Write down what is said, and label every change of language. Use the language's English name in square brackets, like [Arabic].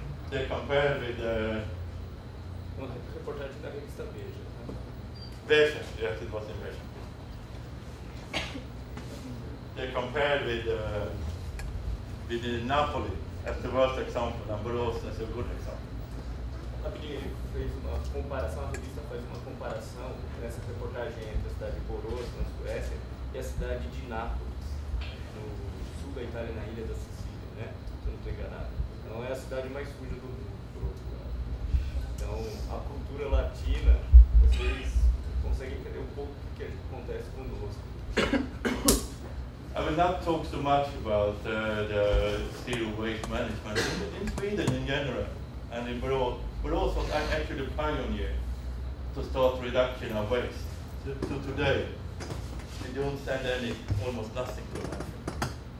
[English] They compare with the... [Portuguese] reportagem da revista Veja. [English] Veja, yes, it was in Veja. They compare with the Napoli as the worst example, and Borås as a good example. [Portuguese] A fez uma comparação, a revista faz uma comparação nessa reportagem entre a cidade de Borås, na Suécia, e a cidade de Nápoles, no sul da Itália, na ilha da Sicília. Se eu não estou enganado. Então é a cidade mais suja do mundo, por outro lado. Então, a cultura latina, vocês conseguem entender um pouco o que acontece conosco. [English] I will not talk so much about the zero waste management in Sweden in general. And in Borås was actually a pioneer to start reduction of waste. So today, we don't send any almost nothing to that.